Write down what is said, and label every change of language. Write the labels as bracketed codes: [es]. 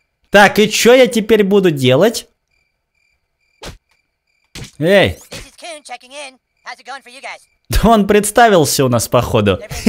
[ru] Так, и чё я теперь буду делать? Эй! [en] This is Coon checking in, how's it going for you guys? [ru] Да он представился у нас, походу.